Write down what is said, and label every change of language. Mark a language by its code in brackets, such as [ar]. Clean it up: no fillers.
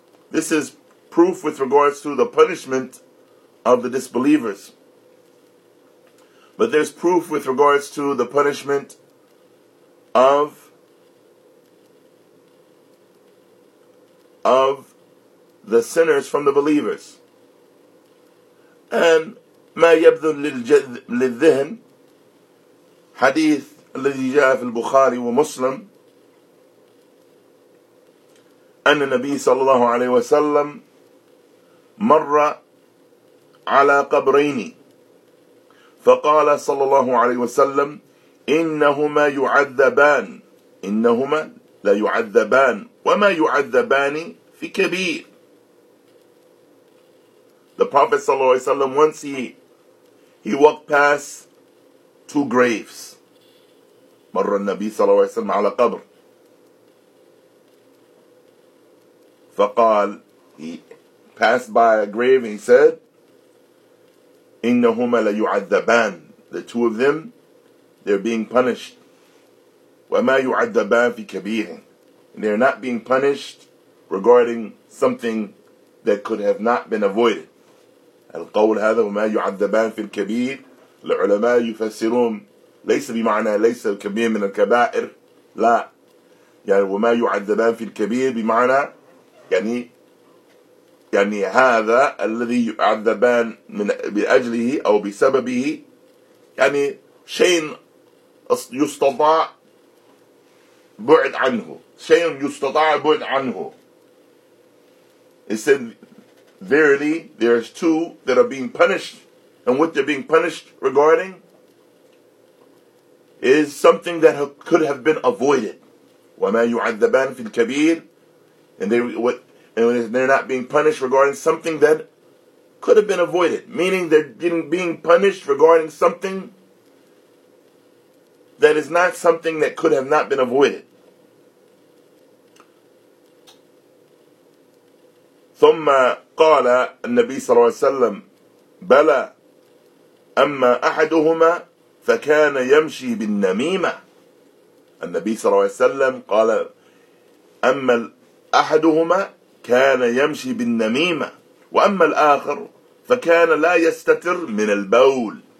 [en] This is proof with regards to the punishment of the disbelievers. But there's proof with regards to the punishment of the sinners from the believers. [ar] And مَا يَبْذُلُ لِلذِّهْنِ حَدِيثُ الَّذِي جَاءَ فِي الْبُخَارِي وَمُسْلِمِ أن النبي صلى الله عليه وسلم مر على قبرين فقال صلى الله عليه وسلم إنهما يعذبان إنهما لا يعذبان وما يعذبان في كبير. [en] The Prophet صلى الله عليه وسلم, once he walked past two graves. [ar] مر النبي صلى الله عليه وسلم على قبر. [en] فقال, he passed by a grave and he said, [ar] إِنَّهُمَا لَيُعَذَّبَانِ. [en] the two of them, they're being punished. [ar] وَمَا يُعَدَّبَانْ فِي كَبِيرٍ. [en] And they're not being punished regarding something that could have not been avoided. [ar] القول هذا وما يعذبان في الكبير العلماء يفسرون ليس بمعنى ليس الكبير من الكبائر لا يعني وما يعذبان في الكبير بمعنى يعني هذا الذي يعذبان من بأجله أو بسببه يعني شيء يستطاع بعد عنه شيء يستطاع بعد عنه. [en] It said, verily, there's two that are being punished, and what they're being punished regarding is something that could have been avoided. [ar] وَمَا يُعَذَّبَانْ فِي الْكَبِيرِ. [en] And they're not being punished regarding something that could have been avoided, meaning they're being punished regarding something that is not something that could have not been avoided. [ar] ثم قال النبي صلى الله عليه وسلم بلى أما أحدهما فكان يمشي بالنميمة. النبي صلى الله عليه وسلم قال أما أحدهما كان يمشي بالنميمة وأما الآخر فكان لا يستتر من البول.